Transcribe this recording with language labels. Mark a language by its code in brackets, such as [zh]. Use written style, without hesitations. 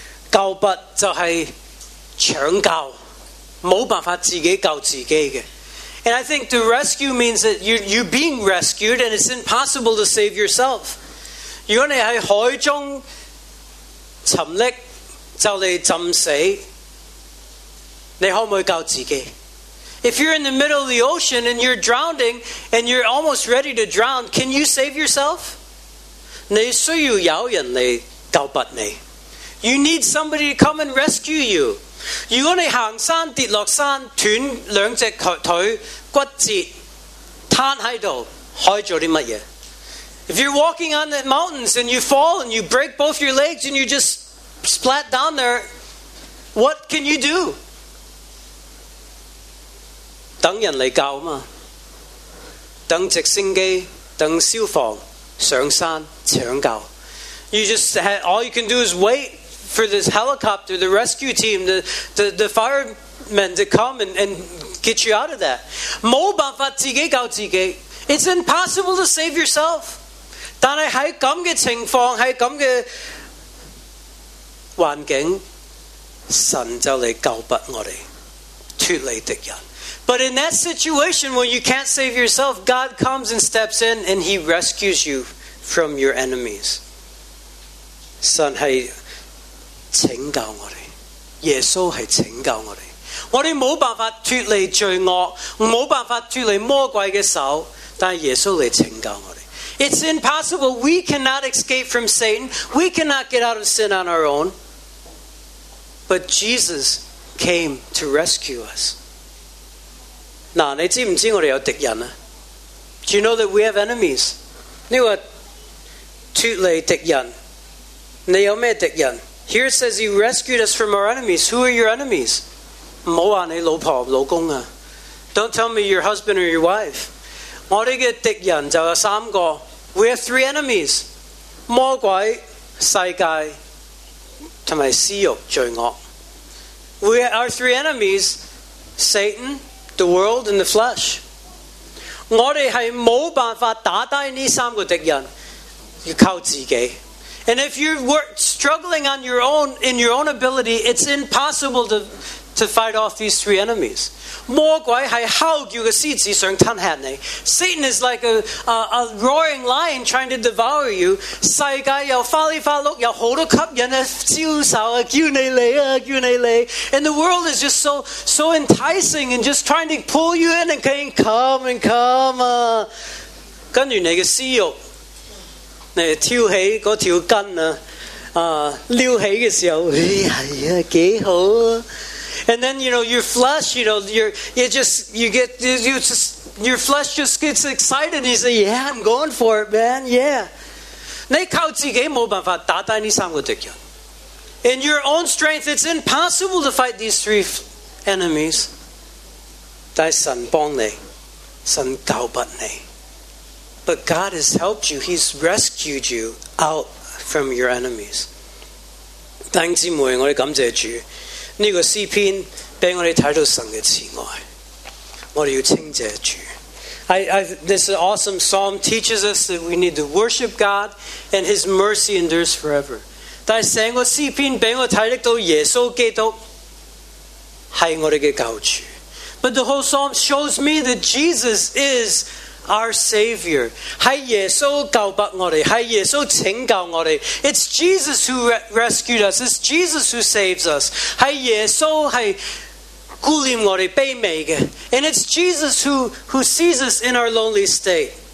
[yue] 救拔就系抢救，冇办法自己救自己嘅。 [en] And I think the rescue means that you're being rescued, and it's impossible to save yourself. [yue] 如果你在海中沉溺就来浸死，你可不可以救自己？ [en] If you're in the middle of the ocean and you're drowning and you're almost ready to drown, can you save yourself? [yue] 你需要有人来救拔你。 [en] You need somebody to come and rescue you. [yue] 如果你行山跌落山，断两只腿骨折，瘫喺度，可以做啲乜嘢？ [en] If you're walking on the mountains and you fall and you break both your legs and you just splat down there, what can you do? [yue] 等人嚟救嘛，等直升机，等消防上山抢救。 [en] You just have, all you can do is wait for this helicopter, the rescue team, the firemen to come and get you out of that. [yue] 冇办法自己救自己。 [en] It's impossible to save yourself. [yue] 但是在这样的情况，在这样的环境，神就来救拔我们，脱离敌人。 [en] But in that situation when you can't save yourself, God comes and steps in and he rescues you from your enemies. [yue] 神是拯救我们，耶稣是拯救我们。我们没有办法脱离罪恶，没有办法脱离魔鬼的手，但是耶稣来拯救我们。 [en] It's impossible. We cannot escape from Satan. We cannot get out of sin on our own. But Jesus came to rescue us. [yue] 嗱，你知唔知我哋有敌人啊？ [en] Do you know that we have enemies? [yue] 你话脱离敌人，你有咩敌人？ [en] Here it says he rescued us from our enemies. Who are your enemies? [yue] 唔好话你老婆老公啊。 [en] Don't tell me your husband or your wife. [yue] 我哋嘅敌人就有三个。 [en] We have three enemies: [yue] 魔鬼、世界同埋私欲、罪恶。 [en] We have our three enemies: Satan, the world, and the flesh. [yue] 我哋系冇办法打低呢三个敌人，要靠自己。 [en] And if you're struggling on your own in your own ability, it's impossible to fight off these three enemies. [yue] 魔鬼是敲叫的狮子想吞吓你。 [en] Satan is like a roaring lion trying to devour you. [yue] 世界又花里花碌，有好多吸引的招手啊，叫你来啊，叫你来。 [en] And the world is just so enticing and just trying to pull you in and saying, come and come 啊。 [yue] 跟住你的私欲，你挑起那条筋啊，撩起的时候，哎呀，挺好啊。 [en] And then, you know, your flesh, you know, your flesh just gets excited. And you say, yeah, I'm going for it, man, yeah. [yue] 你靠自己没办法打打你三个敌人。 [en] In your own strength, it's impossible to fight these three enemies. [yue] 但神帮你，神救拔你。 [en] But God has helped you. He's rescued you out from your enemies. [yue] 弟兄姊妹，我们感谢主。这个诗篇给我们看到神的慈爱，我们要称谢主。 [en] This awesome psalm teaches us that we need to worship God and his mercy endures forever. [yue] 但是整个诗篇给我们看到耶稣基督是我们的救主。 [en] But the whole psalm shows me that Jesus is our Savior. [yue] 是耶稣救拔我们，是耶稣拯救我们。 [en] It's Jesus who rescued us. It's Jesus who saves us. [yue] 是耶稣是顾念我们卑微的。 [en] And it's Jesus who sees us in our lonely state.